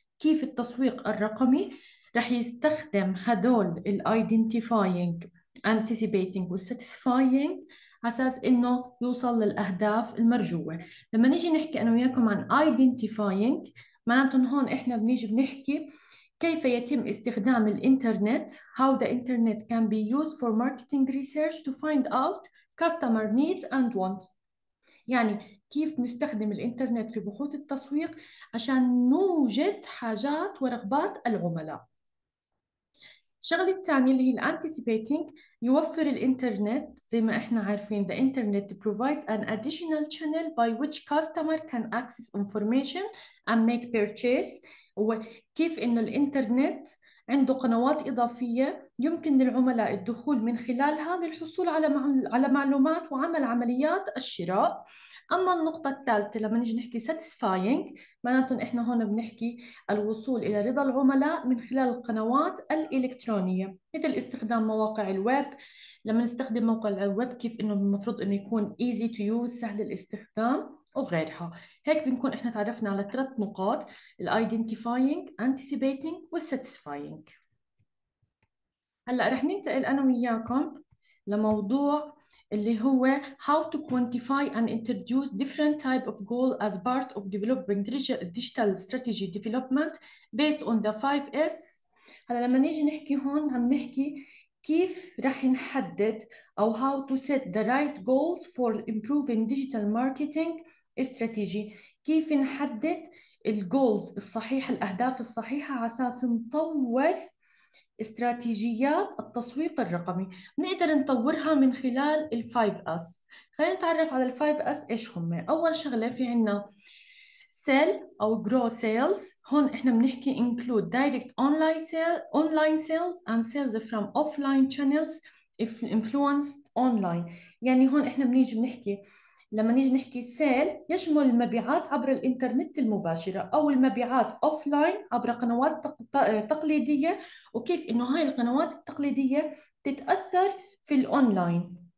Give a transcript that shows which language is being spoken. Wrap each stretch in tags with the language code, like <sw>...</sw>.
<ar>كيف التسويق الرقمي رح يستخدم هدول الـ identifying, anticipating و satisfying أساس إنه يوصل للأهداف المرجوة. لما نيجي نحكي أنا وياكم عن identifying، معناته هون إحنا بنيجي بنحكي كيف يتم استخدام الإنترنت،</ar> <en>how the internet can be used for marketing research to find out customer needs and wants.</en> <ar>يعني كيف نستخدم الإنترنت في بحوث التسويق عشان نوجد حاجات ورغبات العملاء. الشغلة الثانية اللي هي الـ anticipating، يوفر الإنترنت زي ما إحنا عارفين</ar> <en>the internet provides an additional channel by which customer can access information and make purchase.</en> <ar>وكيف إنه الإنترنت عنده قنوات إضافية يمكن للعملاء الدخول من خلالها للحصول على معلومات وعمل عمليات الشراء. أما النقطة الثالثة لما نيجي نحكي satisfying، معناته إحنا هون بنحكي الوصول إلى رضا العملاء من خلال القنوات الإلكترونية مثل استخدام مواقع الويب. لما نستخدم موقع الويب كيف إنه المفروض إنه يكون</ar> <en>easy to use،</en> <ar>سهل الاستخدام وغيرها. هيك بنكون احنا تعرفنا على 3 نقاط: الـ identifying, anticipating والـ satisfying. هلا رح ننتقل انا وياكم لموضوع اللي هو</ar> <en>how to quantify and introduce different type of goal as part of developing digital strategy development based on the 5S.</en> <ar>هلا لما نيجي نحكي هون عم نحكي كيف رح نحدد او</ar> <en>how to set the right goals for improving digital marketing</en> <ar>استراتيجي، كيف نحدد الجولز الصحيحة الأهداف الصحيحة على أساس نطور استراتيجيات التسويق الرقمي. بنقدر نطورها من خلال الفايف أس. خلينا نتعرف على الفايف أس إيش هم. أول شغلة في عنا سيل أو جرو سيلز، هون إحنا بنحكي</ar> <en>include direct online sales, online sales and sales from offline channels if influenced online.</en> <ar>يعني هون إحنا بنيجي بنحكي لما نيجي نحكي سيل يشمل المبيعات عبر الإنترنت المباشرة أو المبيعات أوفلاين عبر قنوات تقليدية، وكيف إنه هاي القنوات التقليدية تتأثر في الأونلاين.</ar>